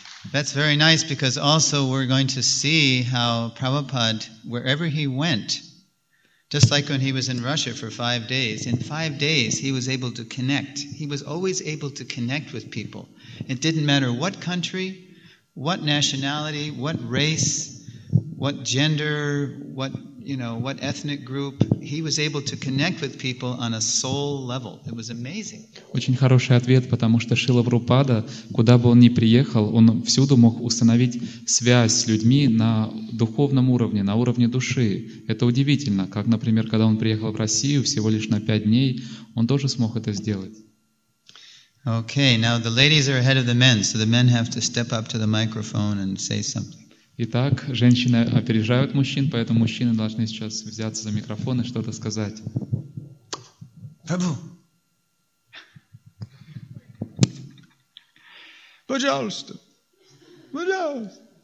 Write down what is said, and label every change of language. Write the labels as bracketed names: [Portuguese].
[English] That's very nice, because also we're going to see how Prabhupada, wherever he went, just like when he was in Russia for 5 days, in 5 days he was able to connect. He was always able to connect with people. It didn't matter what country, what nationality, what race, what gender, what, you know, what ethnic group, he was able to connect with people on a soul level. It was amazing. [Russian] Очень хороший ответ, потому что Шрила Прабхупада, куда бы он ни приехал, он всюду мог установить связь с людьми на духовном уровне, на уровне души. Это удивительно, как, например, когда он приехал в Россию всего лишь на 5 дней, он тоже смог это сделать. [English] Okay, now the ladies are ahead of the men, so the men have to step up to the microphone and say something. [Russian] Итак, женщины опережают мужчин, поэтому мужчины должны сейчас взяться за микрофон и что-то сказать. Прабху! Пожалуйста! Пожалуйста!